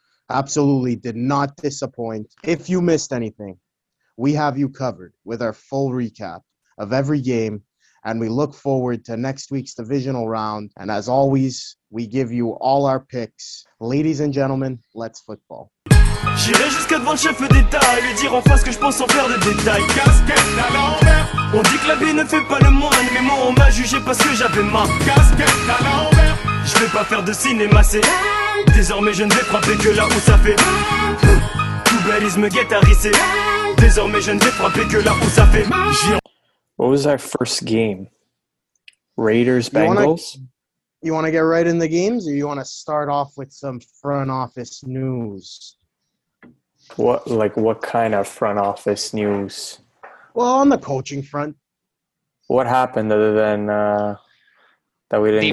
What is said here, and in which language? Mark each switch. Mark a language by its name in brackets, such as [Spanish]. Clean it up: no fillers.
[English] Absolutely did not disappoint. If you missed anything, we have you covered with our full recap of every game, and we look forward to next week's divisional round. And as always, we give you all our picks. Ladies and gentlemen, let's football. [French] J'irai jusqu'à devant le chef d'État, lui dire enfin ce que je pense sans faire de détails. Casquette à l'envers. On dit que la vie ne fait pas le moine, mais moi on m'a jugé parce que j'avais ma casquette à l'envers. Je vais pas faire de cinéma, c'est désormais je ne vais frapper que là où ça fait. Tout balisme guettarissé. Désormais je ne vais frapper que là où ça fait. [English] What was our first game? Raiders, Bengals? You want to get right in the games, or you want to start off with some front office news? What kind of front office news? Well, on the coaching front. What happened other than that we didn't